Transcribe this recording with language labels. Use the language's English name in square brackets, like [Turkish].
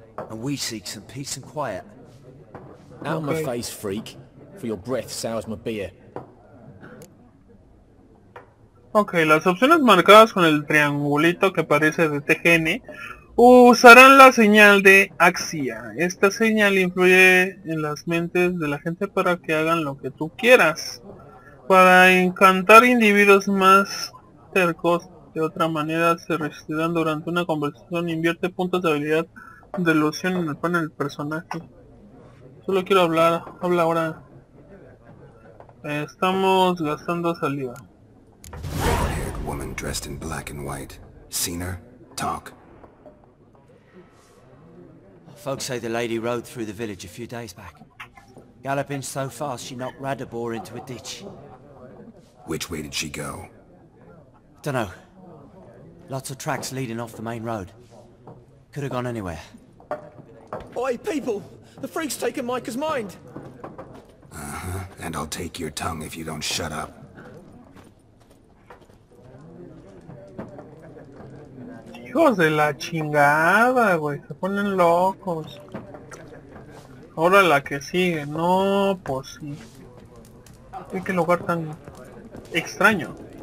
[English] And we seek some peace and quiet. Okay. Out my face, freak, for your breath sours my beer. [Spanish] Okay, las opciones marcadas con el triangulito que aparece de TGN usarán la señal de Axia. Esta señal influye en las mentes de la gente para que hagan lo que tú quieras. Para encantar individuos más tercos de otra manera se resistirán durante una conversación. Invierte puntos de habilidad de ilusión en el panel del personaje. Solo quiero hablar, habla ahora. Estamos gastando saliva. [English] Red-haired woman dressed in black and white. Seen her? Talk. Folks say the lady rode through the village a few days back. Galloping so fast she knocked Radabor into a ditch. Which way did she go? Dunno. Lots of tracks leading off the main road. Could have gone anywhere. Oi, people! The freak's taken Micah's mind! Uh-huh. And I'll take your tongue if you don't shut up. [Spanish] Hijos de la chingada, güey. Se ponen locos. Ahora la que sigue. No, pues sí. Qué lugar tan extraño.